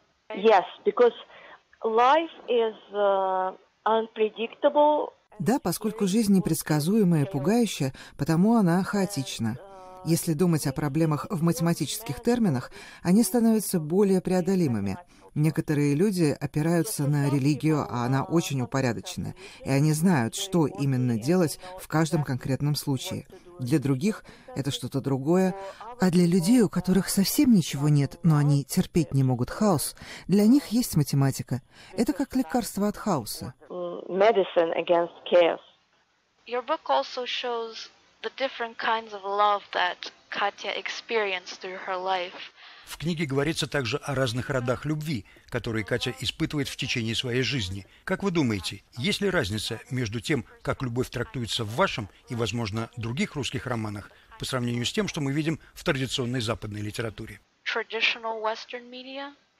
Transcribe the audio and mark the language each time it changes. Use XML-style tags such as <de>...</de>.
<en>Yes, because life is unpredictable.</en> <ru>Да, поскольку жизнь непредсказуемая и пугающая, потому она хаотична. Если думать о проблемах в математических терминах, они становятся более преодолимыми. Некоторые люди опираются на религию, а она очень упорядочена, и они знают, что именно делать в каждом конкретном случае. Для других это что-то другое, а для людей, у которых совсем ничего нет, но они терпеть не могут хаос, для них есть математика. Это как лекарство от хаоса.</ru> <en>Your book also shows the different kinds of love that Katya experienced through her life.</en> <ru>В книге говорится также о разных родах любви, которые Катя испытывает в течение своей жизни. Как вы думаете, есть ли разница между тем, как любовь трактуется в вашем и, возможно, других русских романах, по сравнению с тем, что мы видим в традиционной западной литературе?</ru> <en>Traditional Western media?</en>